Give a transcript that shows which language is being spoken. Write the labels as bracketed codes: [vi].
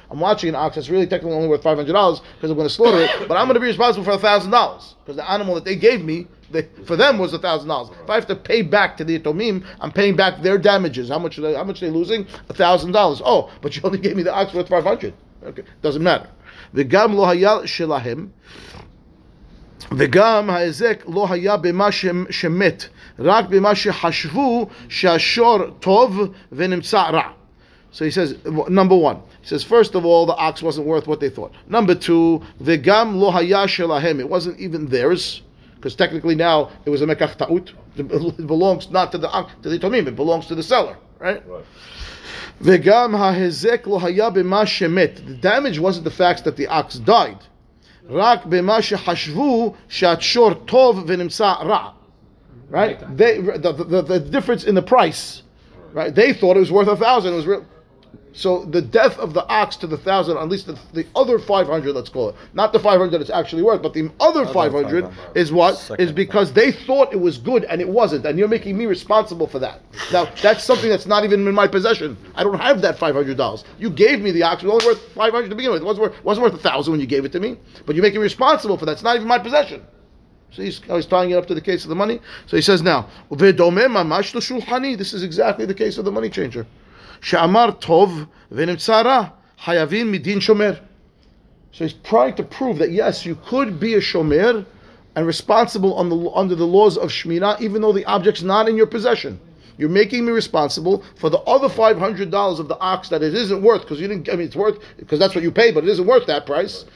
[en] I'm watching an ox that's really technically only worth $500 because I'm going to slaughter it, but I'm going to be responsible for $1,000 because the animal that they gave me, for them was $1,000. If I have to pay back to the Yatomim, I'm paying back their damages. How much are they losing? $1,000. Oh, but you only gave me the ox worth $500. Okay, doesn't matter. [he] וגם לא היה שלהם וגם ההזק לא היה במה שמת רק במה שחשבו שהשור טוב ונמצא רע. [en] So he says, number one, he says, first of all, the ox wasn't worth what they thought. Number two, [he] וגם לא היה שלהם, [en] it wasn't even theirs, because technically now it was a mekach ta'ut. It belongs not to the ox, to the tomim, it belongs to the seller, right? [he] וגם ההזק לא היה במה שמת. [en] The damage wasn't the fact that the ox died. [he] רק במה שחשבו שהשור טוב ונמצא רע. [en] Right? They, the difference in the price. Right? They thought it was worth $1,000. It was real. So the death of the ox to the $1,000, at least the other 500, let's call it, not the 500 it's actually worth, but the other 500 is what? Is because they thought it was good and it wasn't. And you're making me responsible for that. Now, that's something that's not even in my possession. I don't have that $500. You gave me the ox, it was only worth $500 to begin with. It wasn't worth $1,000 when you gave it to me. But you're making me responsible for that. It's not even my possession. So he's tying it up to the case of the money. So he says now, this is exactly the case of the money changer. [he] שאמר טוב ונמצא רע, חייבים מדין שומר. [en] So he's trying to prove that yes, you could be a shomer and responsible under the laws of Shemitah, even though the object's not in your possession. You're making me responsible for the other $500 of the ox that it isn't worth, because you didn't, I mean, it's worth, because that's what you pay, but it isn't worth that price.